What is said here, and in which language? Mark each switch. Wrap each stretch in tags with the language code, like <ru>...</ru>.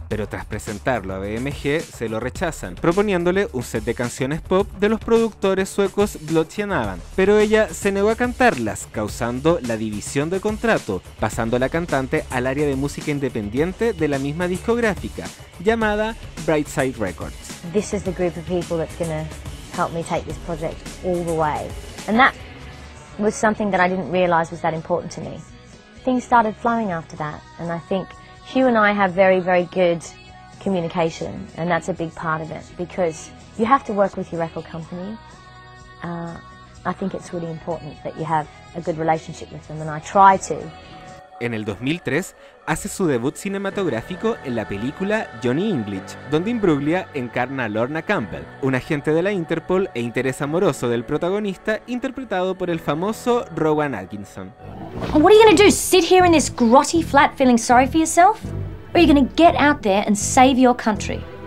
<es>Pero tras presentarlo a BMG, se lo rechazan, proponiéndole un set de canciones pop de los productores suecos Blotchen Avant. Pero ella se negó a cantarlas, causando la división de contrato, pasando a la cantante al área de música independiente de la misma discográfica, llamada Brightside Records.</es> <en>This is the group of people that's gonna help me take this project all the way. And that was something that I didn't realize was that important to me. Things started flowing after that, and I think Hugh and I have very, very good communication, and that's a big part of it, because you have to work with your record company. I think it's really important that you have a good relationship with them, and I try to.</en> <es>En el 2003, hace su debut cinematográfico en la película Johnny English, donde Imbruglia encarna a Lorna Campbell, un agente de la Interpol e interés amoroso del protagonista, interpretado por el famoso Rowan Atkinson.</es> <en>What are you gonna do? Sit here in this grotty flat feeling sorry for yourself? Or are you gonna get out there and save your country?</en>